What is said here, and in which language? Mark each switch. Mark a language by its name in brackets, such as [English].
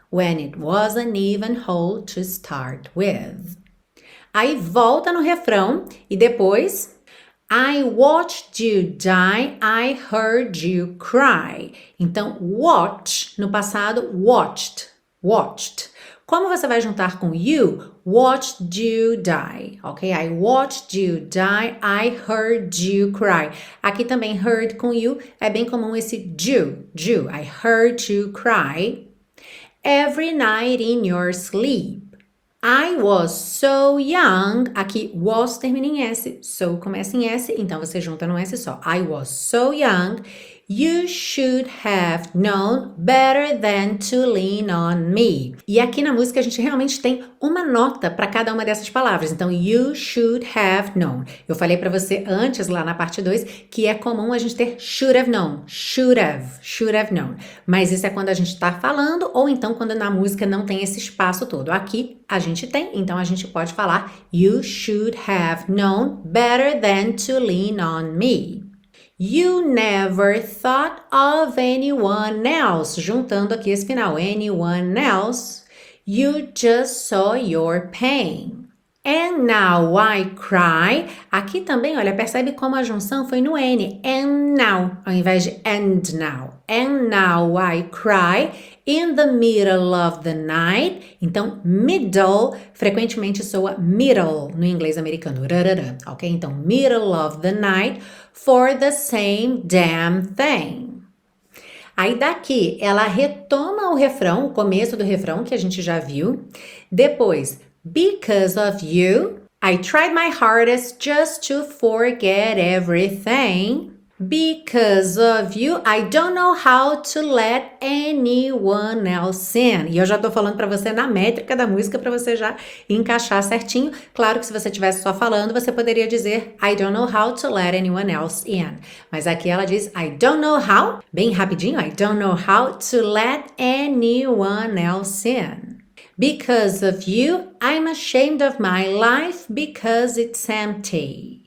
[English] When it wasn't even whole to start with. [Portuguese] Aí volta no refrão e depois. [English] I watched you die, I heard you cry. [Portuguese] Então, watch no passado, watched. [English] Watched. [Portuguese] Como você vai juntar com you? [English] Watched you die. Ok? I watched you die. I heard you cry. [Portuguese] Aqui também, heard com you é bem comum esse you. [English] You. I heard you cry. Every night in your sleep. I was so young. [Portuguese] Aqui, was termina em S. So começa em S. Então você junta num S só. [English] I was so young. You should have known better than to lean on me. [Portuguese] E aqui na música a gente realmente tem uma nota para cada uma dessas palavras. [English] Então, you should have known. [Portuguese] Eu falei para você antes, lá na parte 2, que é comum a gente ter [English] should have known. Should have known. [Portuguese] Mas isso é quando a gente está falando ou então quando na música não tem esse espaço todo. Aqui a gente tem, então a gente pode falar [English] you should have known better than to lean on me. You never thought of anyone else. [Portuguese] Juntando aqui esse final, [English] anyone else. You just saw your pain. And now I cry. [Portuguese] Aqui também, olha, percebe como a junção foi no N. [English] And now, [Portuguese] ao invés de [English] and now. And now I cry in the middle of the night. [Portuguese] Então, middle frequentemente soa middle no inglês americano. Rarara, ok? [English] Então, middle of the night for the same damn thing. [Portuguese] Aí daqui, ela retoma o refrão, o começo do refrão que a gente já viu. Depois, [English] because of you, I tried my hardest just to forget everything. Because of you, I don't know how to let anyone else in. [Portuguese] E eu já tô falando para você na métrica da música para você já encaixar certinho. Claro que se você estivesse só falando, você poderia dizer [English] I don't know how to let anyone else in. [Portuguese] Mas aqui ela diz [English] I don't know how, [Portuguese] bem rapidinho, [English] I don't know how to let anyone else in. Because of you, I'm ashamed of my life because it's empty.